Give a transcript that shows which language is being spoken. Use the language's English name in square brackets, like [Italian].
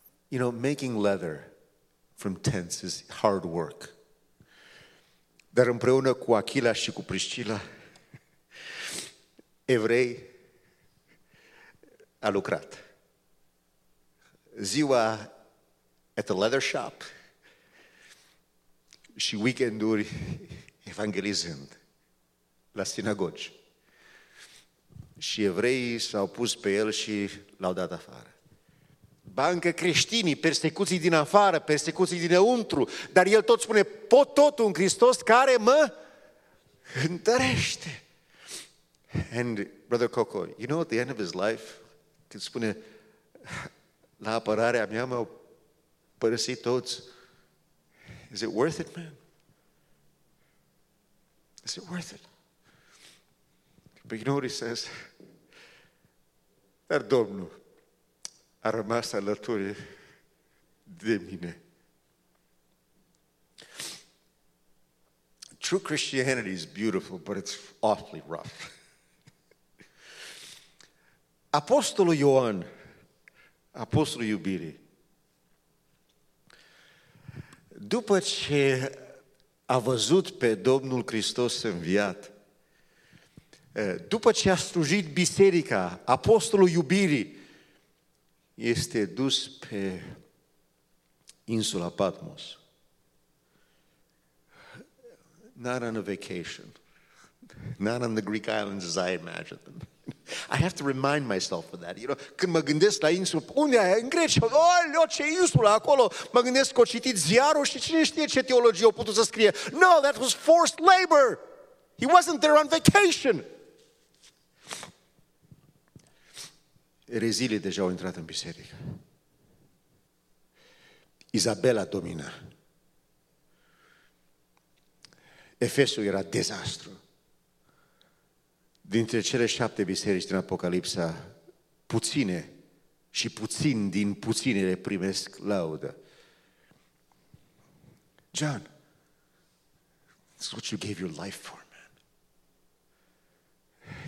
[English] You know, making leather from tents is hard work. [Romanian] Dar împreună cu Achila și cu Priscila, evrei, a lucrat. Ziua [English] at the leather shop [Romanian] și weekenduri evangelizând la sinagogi. Și evreii s-au pus pe el și l-au dat afară. Bancă creștinii, persecuții din afară, persecuții dinăuntru, dar el tot spune, pot totul în Hristos care mă întărește. [English] And brother Coco, you know at the end of his life, [Romanian] când spune, la apărarea mea m-au părăsit toți, [English] is it worth it, man? Is it worth it? But you know what he says? [Romanian] Dar Domnul a rămas alături de mine. [English] True Christianity is beautiful, but it's awfully rough. [Romanian] Apostolul Ioan, apostolul iubirii, după ce a văzut pe Domnul Hristos înviat, după ce a slujit biserica, apostolul iubirii, este dus pe insula Patmos. [English] Not on a vacation. Not on the Greek islands as I imagine them. I have to remind myself of that. You know, [Romanian] când mă gândesc la insula, unde aia? În Grecia. Oh, ce insula acolo? Mă gândesc că o citit ziarul și cine știe ce teologie o putut să scrie. [English] No, that was forced labor. He wasn't there on vacation. [Romanian] Rezile deja au intrat în biserică. Izabela domina. Efesul era dezastru. Dintre cele 7 biserici din Apocalipsa, puține și puțin din puținele primesc laudă. [English] John, this is what you gave your life for, man.